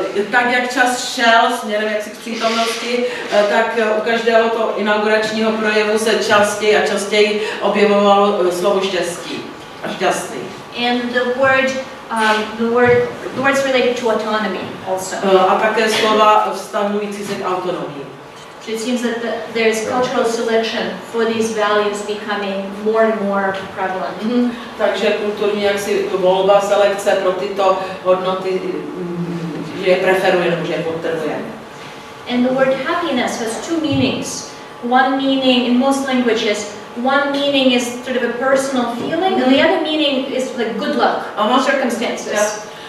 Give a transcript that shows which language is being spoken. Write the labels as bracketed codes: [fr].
[cs] Tak jak čas šel směrem jaksi k přítomnosti, tak u každého toho inauguračního projevu se častěji a častěji objevovalo slovo štěstí a šťastný. [en] And the words related to autonomy also. [cs] A také slova vztahující se k autonomii. [en] So it seems that there is cultural selection for these values becoming more and more prevalent. [cs] Takže kulturní jaksi volba, selekce pro tyto hodnoty, že je preferuje nebo že je potrhuje. [en] And the word happiness has two meanings. One meaning in most languages, one meaning is sort of a personal feeling, and the other meaning is like good luck, circumstances.